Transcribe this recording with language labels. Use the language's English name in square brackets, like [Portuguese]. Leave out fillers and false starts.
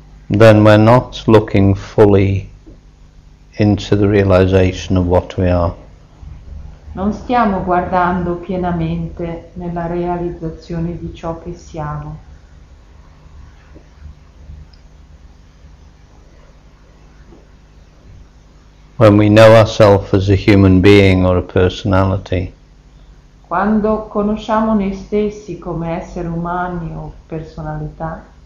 [English] Then we're not looking fully into the realization of what we are. [Italian] Non stiamo guardando pienamente nella realizzazione di ciò che siamo. [English] When we know ourselves as a human being or a personality. [Italian] Quando conosciamo noi stessi come esseri umani o personalità.